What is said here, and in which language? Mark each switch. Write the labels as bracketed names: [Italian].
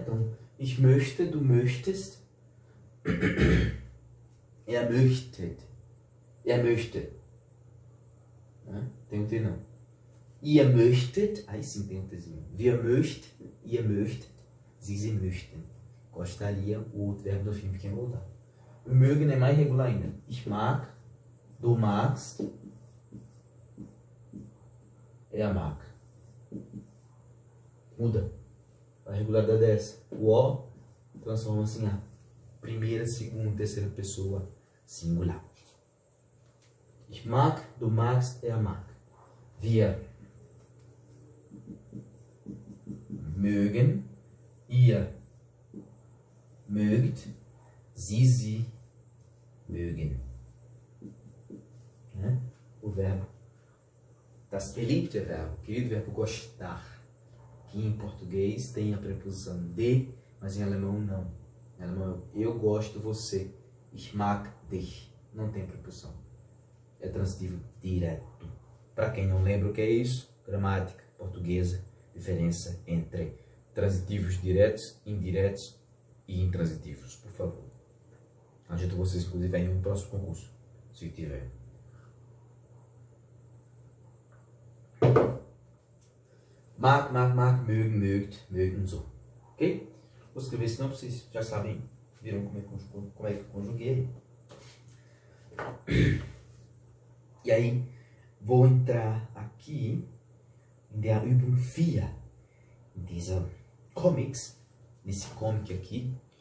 [Portuguese] Então, [German] ich möchte, du möchtest, er möchte, er möchte. [Portuguese] Né? Tem um treino. [German] Ihr möchtet, [Portuguese] aí sim tem um tezinho. [German] Wir möchten, ihr möchtet, sie möchten. [Portuguese] Gostaria o outro verbo do fim, porque é modal. O mögen é mais regular ainda. [German] Ich mag, du magst, er mag. [Portuguese] Muda. A regularidade é essa. O O transforma-se em A. Primeira, segunda, terceira pessoa, singular. [German] Ich mag, du magst, er mag. Wir mögen, ihr mögt, sie mögen. [Portuguese] Né? O verbo. [German] Das beliebte [Portuguese] verbo. Querido verbo gostar. Que em português tem a preposição de, mas em alemão não. Em alemão eu gosto você. [German] Ich mag dich. [Portuguese] Não tem preposição. É transitivo direto. Para quem não lembra o que é isso, gramática portuguesa, diferença entre transitivos diretos, indiretos e intransitivos, por favor. Ajuda vocês, inclusive, aí no próximo concurso, se tiver. [German] Mag, mag, mag, mögen, mögt, mögen, so. Ok? [Portuguese] Vou escrever, senão vocês já sabem, viram como é que eu conjuguei. E aí, vou entrar aqui em [German] der Übung 4, [Portuguese] em [German] dieser Comics, [Portuguese] nesse comic aqui.